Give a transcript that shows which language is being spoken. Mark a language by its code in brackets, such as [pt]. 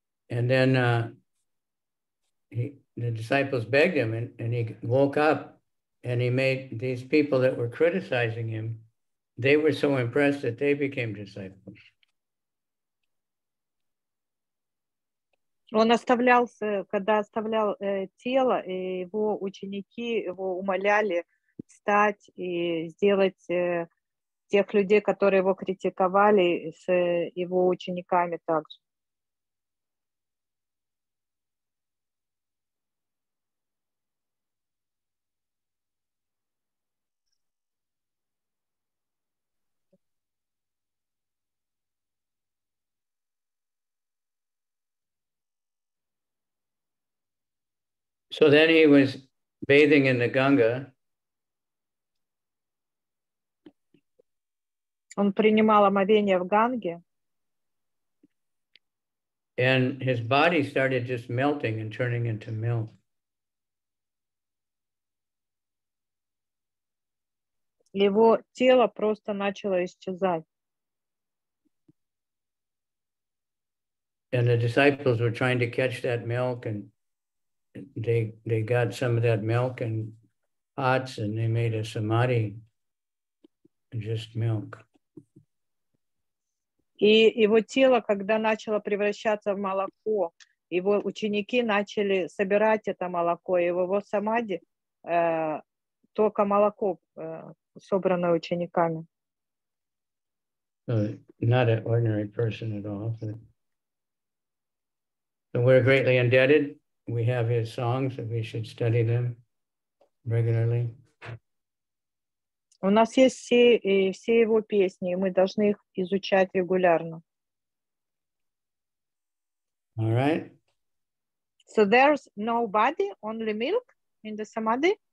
[en] And then the disciples begged him, and he woke up, and he made these people that were criticizing him, they were so impressed that they became disciples. [ru] Он оставлялся, когда оставлял тело, и его ученики его умоляли встать и сделать тех людей, которые его критиковали, с его учениками также. [en] So then he was bathing in the Ganga. [ru] Он принимал омовение в Ганге. [en] And his body started just melting and turning into milk. [ru] Его тело просто начало исчезать. [en] And the disciples were trying to catch that milk, and They got some of that milk and pots, and they made a samadhi, just milk. [ru] И его тело, когда начало превращаться в молоко, его ученики начали собирать это молоко, и его самадхи только молоко, собранное учениками. [en] Not an ordinary person at all. So we're greatly indebted. We have his songs, and we should study them regularly. [ru] У нас есть все, все его песни, и мы должны их изучать регулярно. [en] All right. So there's no body, only milk in the samadhi?